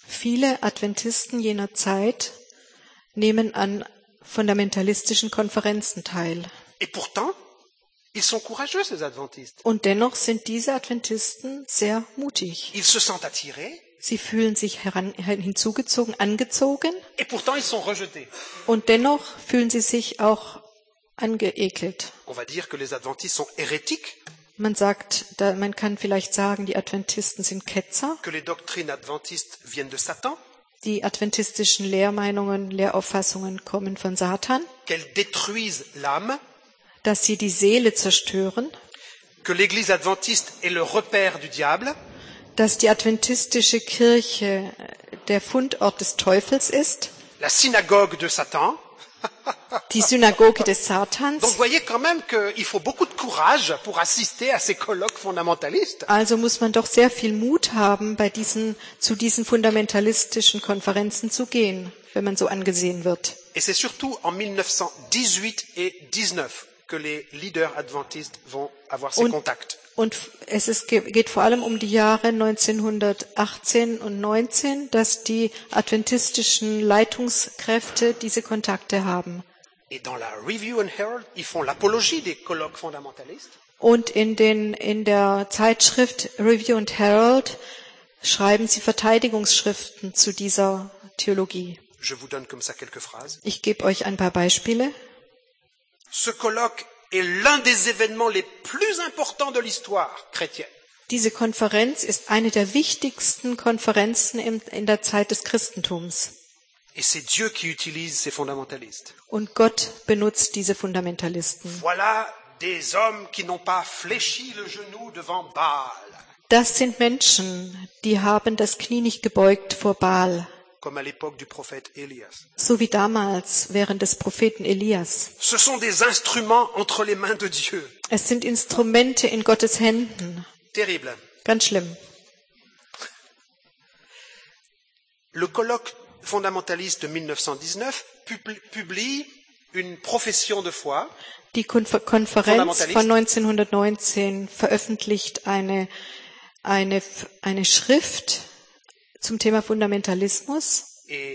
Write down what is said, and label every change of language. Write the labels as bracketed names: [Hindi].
[German] Viele Adventisten jener Zeit nehmen an fundamentalistischen Konferenzen teil. [French] Et pourtant, ils sont courageux, ces adventistes. [German] Und dennoch sind diese Adventisten sehr mutig. [French] Ils se sentent attirés. [German] Sie fühlen sich hinzugezogen, angezogen. [French] Et pourtant, ils sont rejetés. [German] Und dennoch fühlen sie sich auch angeekelt. [French] On va dire que les adventistes sont hérétiques. [German] Man kann vielleicht sagen, die Adventisten sind Ketzer. [French] Que les doctrines adventistes viennent de Satan. [German] Die adventistischen Lehrmeinungen, Lehrauffassungen kommen von Satan. [French] Qu'elles détruisent l'âme. [German] Dass sie die Seele zerstören. [French] Que l'Église adventiste est le repère du diable. [German] Dass die adventistische Kirche der Fundort des Teufels ist. [French] La synagogue de Satan. [German] Die Synagoge des Satans. [French] Donc voyez quand même qu'il faut beaucoup de courage pour assister à ces colloques fondamentalistes. [German] Also muss man doch sehr viel Mut haben, zu diesen fundamentalistischen Konferenzen zu gehen, wenn man so angesehen wird. [French] Et c'est surtout en 1918 et 19 que les leaders adventistes vont avoir ces contacts. [German] Und es ist, geht vor allem um die Jahre 1918 und 19, dass die adventistischen Leitungskräfte diese Kontakte haben. [French] Et dans la Review and Herald, ils font l'apologie des colloques fondamentalistes. [German] Und in der Zeitschrift Review and Herald schreiben sie Verteidigungsschriften zu dieser Theologie. [French] Je vous donne comme ça quelques phrases. [German] Ich gebe euch ein paar Beispiele. [French] Ce colloque est l'un des événements les plus importants de l'histoire chrétienne. [German] Diese Konferenz ist eine der wichtigsten Konferenzen in der Zeit des Christentums. [French] Et c'est Dieu qui utilise ces fundamentalistes. [German] Und Gott benutzt diese Fundamentalisten. [French] Voilà des hommes qui n'ont pas fléchi le genou devant Baal. [German] Das sind Menschen, die haben das Knie nicht gebeugt vor Baal. [French] Comme à l'époque du prophète Elias. [German] So wie damals während des Propheten Elias. [French] Ce sont des instruments entre les mains de Dieu. [German] Es sind Instrumente in Gottes Händen. [French] Terrible. [German] Ganz schlimm. [French] Le colloque fondamentaliste de 1919 publie une profession de foi. [German] Die Konferenz von 1919 veröffentlicht eine Schrift zum Thema Fundamentalismus.